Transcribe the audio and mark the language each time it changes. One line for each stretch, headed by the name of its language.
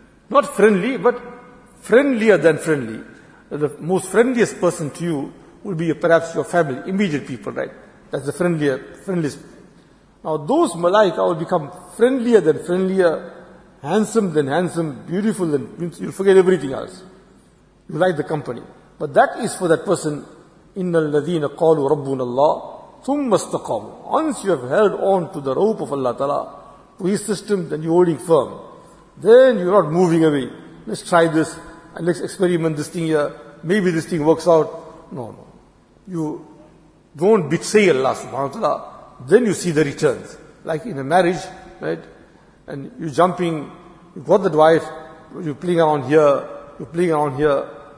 English: Not friendly, but friendlier than friendly. The most friendliest person to you will be perhaps your family, immediate people, right? That's the friendliest. Now those malaika will become friendlier than friendlier, handsome than handsome, beautiful than beautiful. You'll forget everything else. You like the company. But that is for that person,
Arabic: إِنَّ الَّذِينَ قَالُوا رَبُّنَ اللَّهُ ثُمَّ اسْتَقَامُ.
English: Once you have held on to the rope of Allah Ta'ala, to his system, then you're holding firm. Then you're not moving away. Let's try this and let's experiment this thing here. Maybe this thing works out. No. You don't betray Allah subhanahu wa ta'ala. Then you see the returns. Like in a marriage, right? And you're jumping, you've got that wife, you're playing around here.